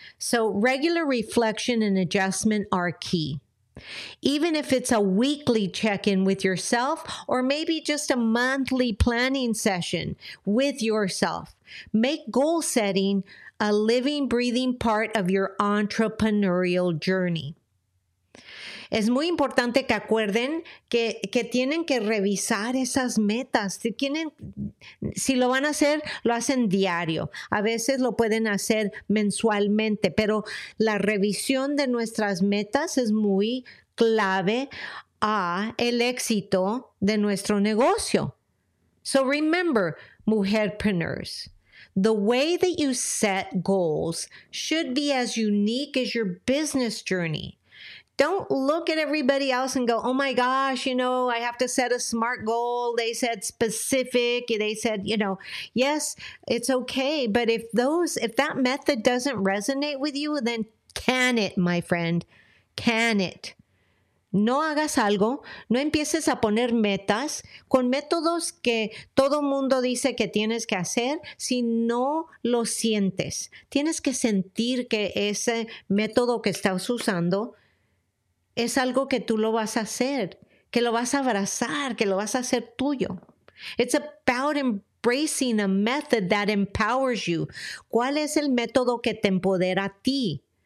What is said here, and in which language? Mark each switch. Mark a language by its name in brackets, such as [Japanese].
[English] So regular reflection and adjustment are key. Even if it's a weekly check-in with yourself, or maybe just a monthly planning session with yourself, make goal setting a living, breathing part of your entrepreneurial journey. [Spanish] Es muy importante que acuerden que tienen que revisar esas metas. Si lo van a hacer, lo hacen diario. A veces lo pueden hacer mensualmente, pero la revisión de nuestras metas es muy clave a el éxito de nuestro negocio. [English] So remember, mujerpreneurs, the way that you set goals should be as unique as your business journey. Don't look at everybody else and go, oh my gosh, you know, I have to set a SMART goal. They said specific. They said, you know, yes, it's okay. But if that method doesn't resonate with you, then can it, my friend, can it? [Spanish] No hagas algo, no empieces a poner metas con métodos que todo mundo dice que tienes que hacer si no lo sientes. Tienes que sentir que ese método que estás usando es algo que tú lo vas a hacer, que lo vas a abrazar, que lo vas a hacer tuyo. [English] It's about embracing a method that empowers you. [Spanish] ¿Cuál es el método que te empodera a ti?